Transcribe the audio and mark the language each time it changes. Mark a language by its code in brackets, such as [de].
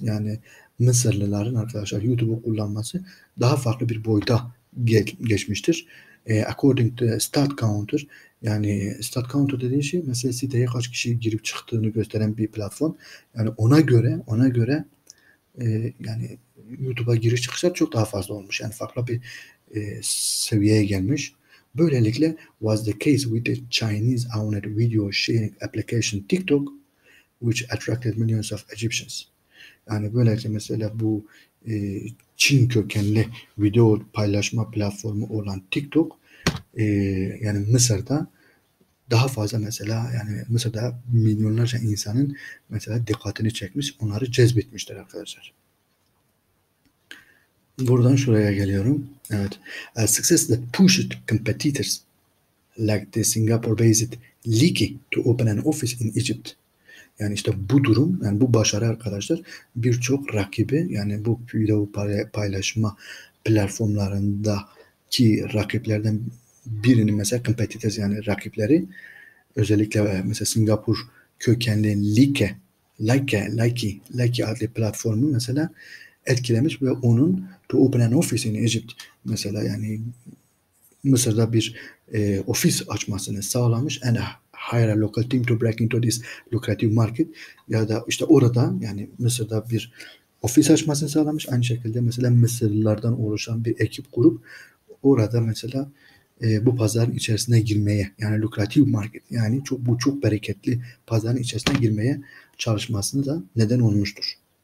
[tr] Yani Mısırlıların arkadaşlar YouTube'u kullanması daha farklı bir boyuta geçmiştir. [en] According to StatCounter, [tr] yani StatCounter dediğin şey mesela siteye kaç kişi girip çıktığını gösteren bir platform. Yani ona göre yani YouTube'a giriş çıkışlar çok daha fazla olmuş. Yani farklı bir seviyeye gelmiş. Böylelikle [en] was the case with the Chinese owned video sharing application TikTok, which attracted millions of Egyptians. [tr] Yani böylece mesela bu Çin kökenli video paylaşma platformu olan TikTok yani Mısır'da daha fazla mesela yani Mısır'da milyonlarca insanın mesela dikkatini çekmiş, onları cezbetmiştir arkadaşlar. Buradan şuraya geliyorum. Evet. [en] A success that pushed competitors like the Singapore-based Likee to open an office in Egypt. [tr] Yani işte bu durum, yani bu başarı arkadaşlar birçok rakibi, yani bu video paylaşma platformlarındaki rakiplerden birini mesela competitors yani rakipleri özellikle mesela Singapur kökenli Likee adlı platformu mesela etkilemiş ve onun [en] to open an office in Egypt [tr] mesela yani Mısır'da bir ofis açmasını sağlamış. [en] Hire a local team to break into this lucrative market. [tr] Ya da işte orada yani Mısır'da bir ofis açmasını sağlamış. Aynı şekilde mesela Mısırlılardan oluşan bir ekip kurup orada mesela bu pazarın içerisine girmeye yani lucrative market yani çok bereketli pazarın içerisine girmeye çalışmasını da neden olmuştur.